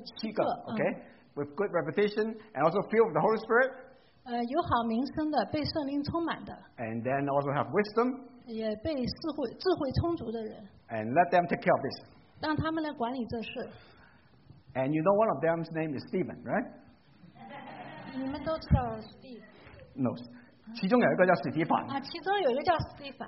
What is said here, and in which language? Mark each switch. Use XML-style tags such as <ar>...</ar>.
<zh>七个</zh> <en>okay, with good reputation and also filled with the Holy Spirit.</en> <zh>有好名声的，被圣灵充满的。</zh> <en>And then also have wisdom.</en> <zh>也被智慧充足的人。</zh> <en>And let them take care of this.</en> <zh>让他们来管理这事。</zh> <en>And you know one of them's name is Stephen, right?</en> <zh>你们都知道 Steve. No, 其中有一个叫史蒂凡。啊，其中有一个叫史蒂凡。</zh>